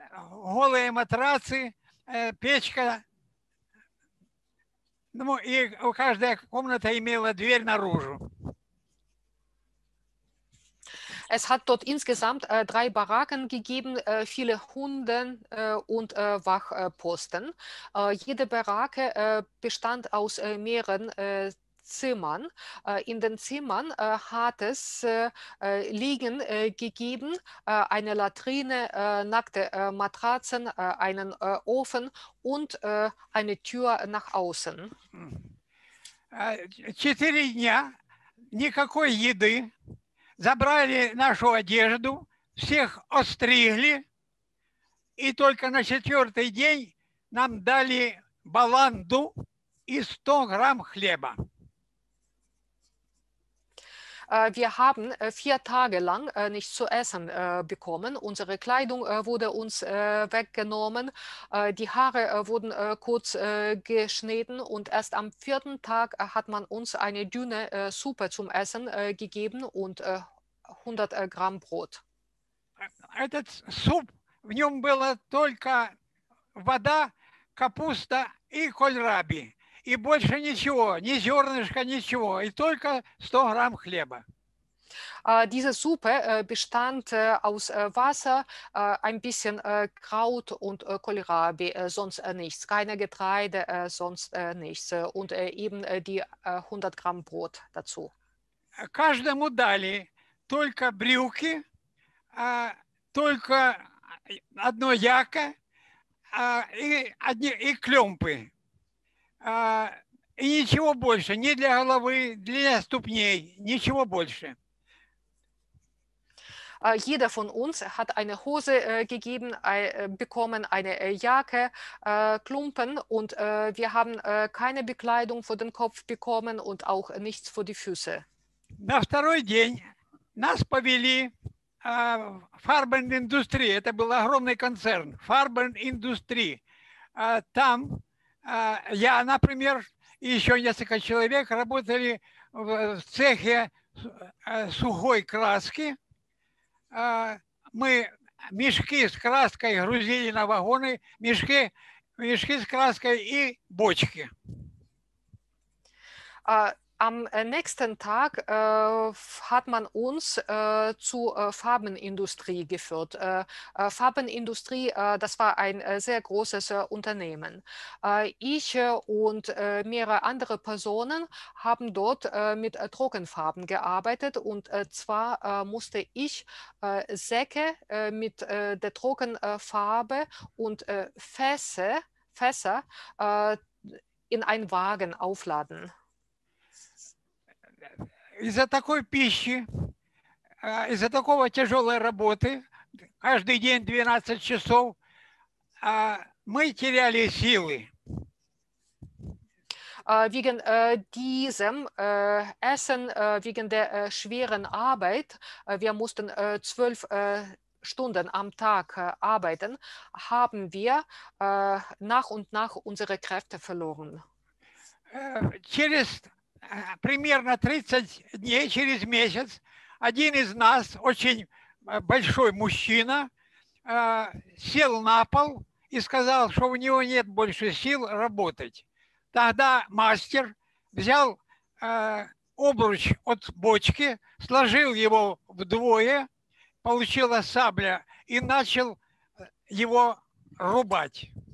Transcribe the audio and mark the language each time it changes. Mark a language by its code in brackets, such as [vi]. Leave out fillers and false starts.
[ru] Голые матрацы, печка. Ну, и каждая комната имела дверь наружу. [de] Es hat dort insgesamt drei Baracken gegeben, viele Hunde und Wachposten. Jede Baracke bestand aus mehreren Zimmern. In den Zimmern hat es Liegen gegeben, eine Latrine, nackte Matratzen, einen Ofen und eine Tür nach außen. [ru] Четыре дня никакой еды, забрали нашу одежду, всех остригли, и только на четвертый день нам дали баланду и 100 грамм хлеба. [de] Wir haben vier Tage lang nichts zu essen bekommen. Unsere Kleidung wurde uns weggenommen. Die Haare wurden kurz geschnitten. Und erst am vierten Tag hat man uns eine dünne Suppe zum Essen gegeben und 100 Gramm Brot. [ru] Этот суп, в нем было только вода, капуста и кольраби. И больше ничего, ни зернышка, ничего. И только 100 грамм хлеба. [de] Diese Suppe bestand aus Wasser, ein bisschen Kraut und Kohlrabi, sonst nichts. Keine Getreide, sonst nichts. Und eben die 100 Gramm Brot dazu. [ru] Каждому дали только брюки, только одно яко и клёмпы. И ничего больше, ни для головы, для ступней, ничего больше. [de] Jeder von uns hat eine Hose gegeben, bekommen eine Jacke, Klumpen und wir haben keine Bekleidung für den Kopf bekommen und auch nichts für die Füße. [ru] На второй день нас повели Фарбен-Индустрии, это был огромный концерн, Фарбен-Индустрии, там... Я, например, и еще несколько человек работали в цехе сухой краски. Мы мешки с краской грузили на вагоны, мешки с краской и бочки. [de] Am nächsten Tag hat man uns zur Farbenindustrie geführt. Farbenindustrie, das war ein sehr großes Unternehmen. Ich und mehrere andere Personen haben dort mit Trockenfarben gearbeitet. Und zwar musste ich Säcke mit der Trockenfarbe und Fässer in einen Wagen aufladen. [ru] Из-за такой пищи, из-за такого тяжелой работы, каждый день 12 часов, мы теряли силы. [de] Wegen diesem Essen, wegen der schweren Arbeit, wir mussten 12 Stunden am Tag arbeiten, haben wir nach und nach unsere Kräfte verloren. [ru] Через примерно 30 дней, через месяц, один из нас, очень большой мужчина, сел на пол и сказал, что у него нет больше сил работать. Тогда мастер взял обруч от бочки, сложил его вдвое, получила сабля и начал его рубать.